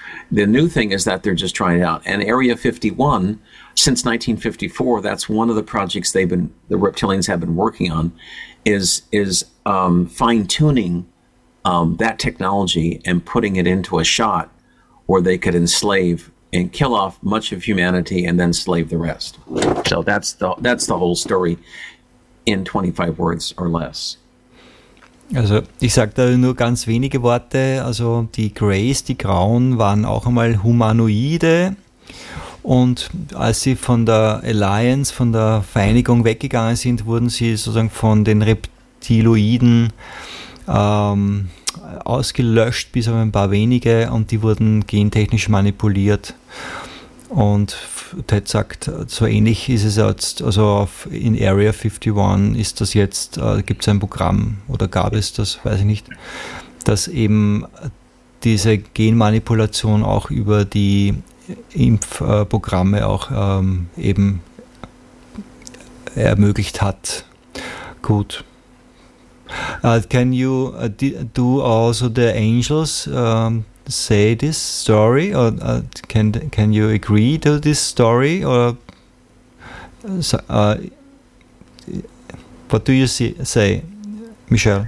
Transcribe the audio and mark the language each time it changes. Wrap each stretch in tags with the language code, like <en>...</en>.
<en>The new thing is that they're just trying it out. And Area 51, since 1954, that's one of the projects the reptilians have been working on, is fine-tuning that technology and putting it into a shot where they could enslave and kill off much of humanity and then slave the rest. So that's the whole story in 25 words or less.</en> <de>Also ich sage da nur ganz wenige Worte. Also die Greys, die Grauen, waren auch einmal Humanoide. Und als sie von der Alliance, von der Vereinigung weggegangen sind, wurden sie sozusagen von den Reptiloiden ausgelöscht, bis auf ein paar wenige, und die wurden gentechnisch manipuliert. Und Ted sagt, so ähnlich ist es jetzt, also in Area 51 ist das jetzt, gibt es ein Programm oder gab es das, weiß ich nicht, dass eben diese Genmanipulation auch über die Impfprogramme auch eben ermöglicht hat. Gut.</de> <en>Can you do also the angels say this story, or can you agree to this story, or what do you say, Michelle?</en>